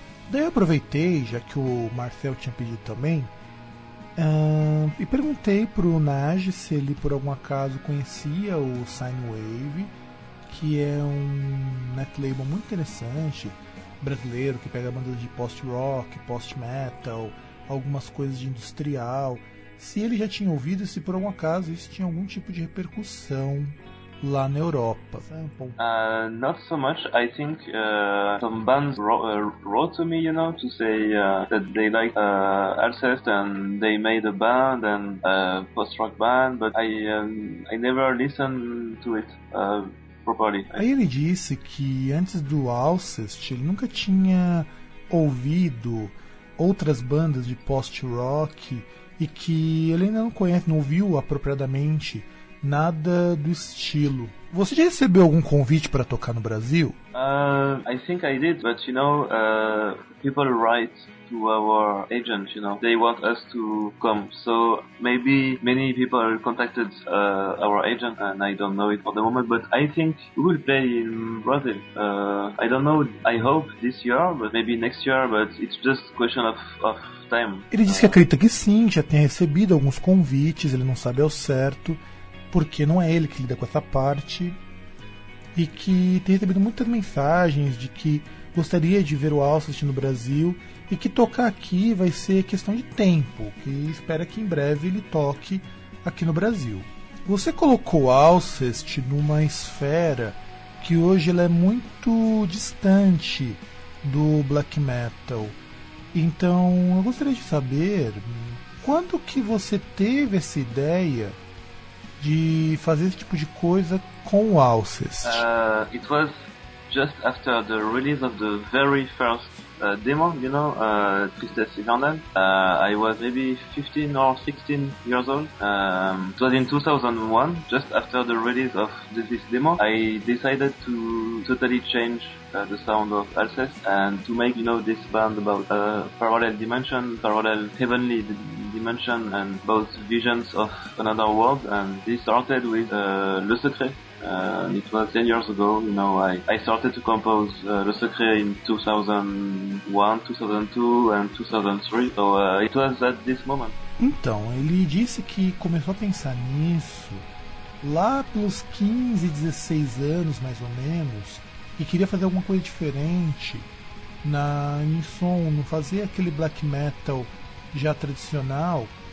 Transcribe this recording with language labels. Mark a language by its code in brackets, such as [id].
[pt] Daí eu aproveitei, já que o Marcel tinha pedido também, e perguntei para o Nage se ele por algum acaso conhecia o Sinewave, que é um net label muito interessante, brasileiro, que pega bandas de post-rock, post-metal, algumas coisas de industrial, se ele já tinha ouvido e se por algum acaso isso tinha algum tipo de repercussão lá na Europa. [en] Not so much. I think some bands wrote to me, you know, to say that they like Arcest and they made a band and post-rock band, but I never listened to it properly. [pt] Aí ele disse que antes do Arcest ele nunca tinha ouvido outras bandas de post-rock e que ele ainda não conhece, não ouviu apropriadamente nada do estilo. Você já recebeu algum convite para tocar no Brasil? [en] I think I did, but you know, people write to our agent, you know. They want us to come. So maybe many people contacted our agent and I don't know it for the moment, but I think we will play in Brazil. I don't know. I hope this year, but maybe next year, but it's just question of time. [pt] Ele disse que acredita que sim, já tem recebido alguns convites, ele não sabe ao certo, porque não é ele que lida com essa parte, e que tem recebido muitas mensagens de que gostaria de ver o Alcest no Brasil, e que tocar aqui vai ser questão de tempo, que espera que em breve ele toque aqui no Brasil. Você colocou o Alcest numa esfera que hoje ela é muito distante do black metal, então eu gostaria de saber, quando que você teve essa ideia de fazer esse tipo de coisa com o Alcest? [en] It was just after the release of the very first demo, you know, Tristesse Eternelle. I was maybe 15 or 16 years old. It was in 2001, just after the release of this demo. I decided to totally change the sound of Alcest and to make, you know, this band about parallel dimension, parallel heavenly dimension and both visions of another world, and this started with Le Secret. It was 10 years ago, you know, I started to compose Le Secret in 2001, 2002 and 2003, so it was at this moment. [pt] Então, ele disse que começou a pensar nisso lá pelos 15, 16 anos, mais ou menos, e queria fazer alguma coisa diferente em som, não fazer aquele black metal já tradicional.